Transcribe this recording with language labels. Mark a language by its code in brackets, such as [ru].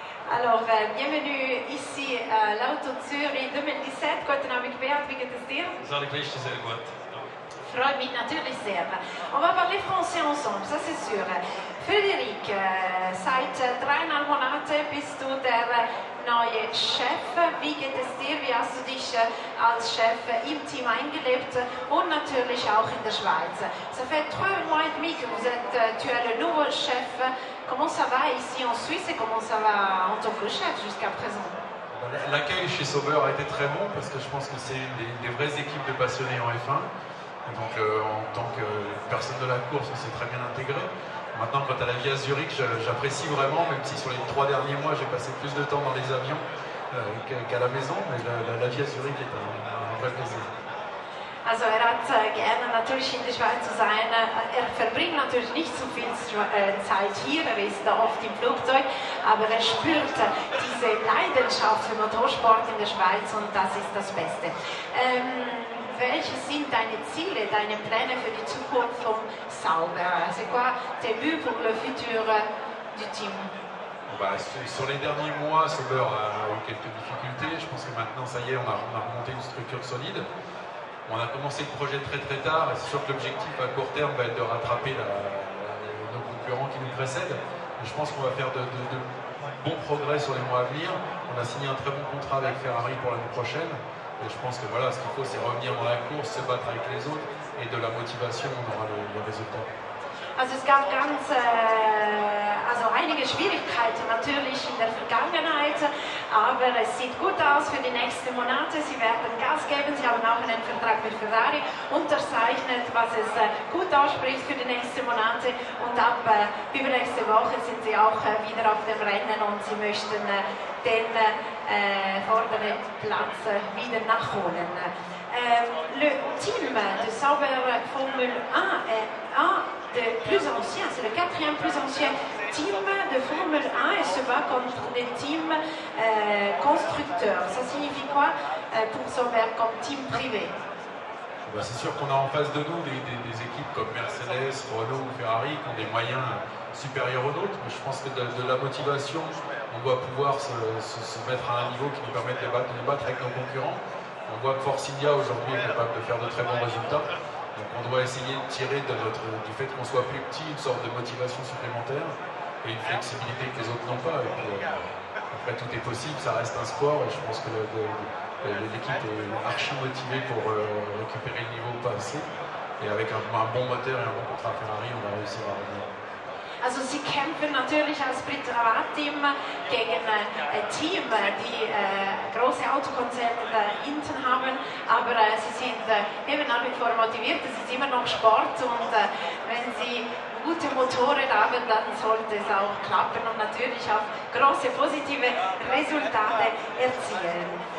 [fr] Alors, bienvenue ici à l'Auto Zürich 2017. [de] Guten Abend, Beat, wie geht es dir? Sehr gut, sehr gut. Freut mich natürlich sehr. [fr] On va parler français ensemble, ça c'est sûr. [de] Frederik, seit dreieinhalb Monaten bist du der neue Chef. Wie geht es dir? Wie hast du dich als Chef im Team eingelebt und natürlich auch in der Schweiz? [fr] Ça fait trois mois et demi que vous êtes, tu es le nouveau chef. Comment ça va ici en Suisse et comment ça va en tant que chef jusqu'à présent? L'accueil chez Sauber a été très bon parce que je pense que c'est une des vraies équipes de passionnés en F1. Donc en tant que personne de la course, on s'est très bien intégré. Maintenant, quant à la vie à Zurich, j'apprécie vraiment, même si sur les trois derniers mois, j'ai passé plus de temps dans les avions qu'à la maison. Mais la vie à Zurich est un vrai plaisir. [de] Also er hat gerne natürlich in der Schweiz zu sein. Er verbringt natürlich nicht so viel Zeit hier, er ist oft im Flugzeug, aber er spürt diese Leidenschaft für Motorsport in der Schweiz und das ist das Beste. Welche sind deine Ziele, deine Pläne für die Zukunft von Sauber? [fr] C'est quoi tes buts pour le futur du team? Sur les derniers mois, Sauber a eu quelques difficultés. Je pense que maintenant, ça y est, on a remonté une structure solide. On a commencé le projet très très tard et c'est sûr que l'objectif à court terme va être de rattraper nos concurrents qui nous précèdent. Et je pense qu'on va faire de bons progrès sur les mois à venir. On a signé un très bon contrat avec Ferrari pour l'année prochaine. Et je pense que voilà, ce qu'il faut c'est revenir dans la course, se battre avec les autres et de la motivation, on aura le résultat. [de] Also es gab ganz, also einige Schwierigkeiten natürlich in der Vergangenheit, aber es sieht gut aus für die nächsten Monate. Sie werden Gas geben, Sie haben auch einen Vertrag mit Ferrari unterzeichnet, was es gut ausspricht für die nächsten Monate. Und ab übernächste Woche sind Sie auch wieder auf dem Rennen und Sie möchten den vorderen Platz wieder nachholen. [fr] Le team de Sauber Formule 1 est un des plus anciens, c'est le quatrième plus ancien team de Formule 1 et se bat contre des teams constructeurs. Ça signifie quoi pour Sauber comme team privé? Ben c'est sûr qu'on a en face de nous des équipes comme Mercedes, Renault ou Ferrari qui ont des moyens supérieurs aux nôtres, mais je pense que de la motivation, on doit pouvoir se mettre à un niveau qui nous permette de les battre avec nos concurrents. On voit que Force India aujourd'hui est capable de faire de très bons résultats. Donc on doit essayer de tirer du fait qu'on soit plus petit une sorte de motivation supplémentaire et une flexibilité que les autres n'ont pas. Et puis, après tout est possible, ça reste un sport et je pense que l'équipe est archi motivée pour récupérer le niveau passé. Et avec un bon moteur et un bon contrat Ferrari, on va réussir à revenir. [de] Also Sie kämpfen natürlich als Privatteam gegen Team, die große Autokonzerne da hinten haben, aber Sie sind eben nach wie vor motiviert, es ist immer noch Sport und wenn Sie gute Motoren haben, dann sollte es auch klappen und natürlich auch große positive Resultate erzielen.